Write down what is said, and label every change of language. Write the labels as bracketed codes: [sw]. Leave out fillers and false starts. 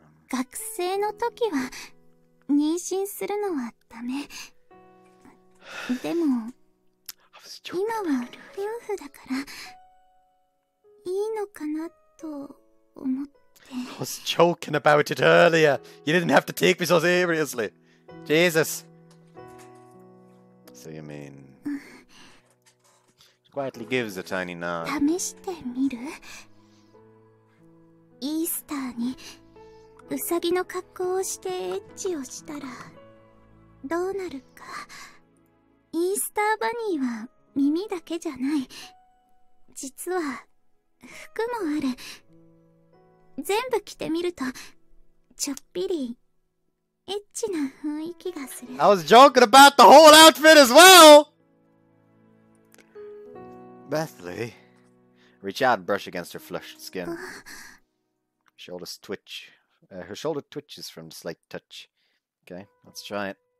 [ja] 学生の時は妊娠するのはダメ。でも今は夫婦だからいいのかなと思って。 [en] I was joking about it earlier. You didn't have to take me so seriously. Jesus. So you mean... She quietly gives a tiny nod. [ja] 試してみる? イースターにウサギの格好をしてエッチをしたらどうなるか。イースターバニーは耳だけじゃない。実は服もある。全部着てみるとちょっぴりエッチな雰囲気がする。 [en] I was joking about the whole outfit as well! Bethly, reach out and brush against her flushed skin. Shoulders twitch. Her shoulder twitches from the slight touch. Okay, let's try it.